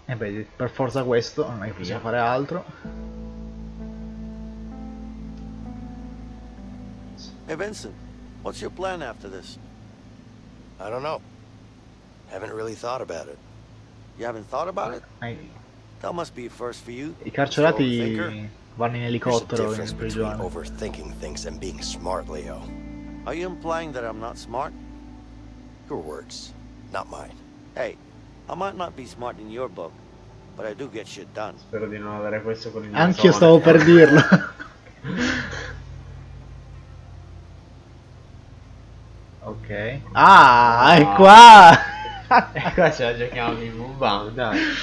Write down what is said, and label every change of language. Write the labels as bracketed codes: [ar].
[it] E beh, per forza questo, non è che possiamo fare altro. [en] Hey Vincent, what's your plan after this? I don't know. Haven't really thought about it. You haven't thought about it? That must be a first for you. [it] I carcerati vanno in elicottero in prigione. [en] Overthinking things and being smart, Leo. Are you implying that I'm not smart? Your words, not mine. Hey. I might not be smart in your book, but I do get shit done. [it] Spero di non avere questo con il naso. Anch'io stavo per dirlo. Ok. Ah, wow. È qua! E qua ce la giochiamo in Moonbound, dai.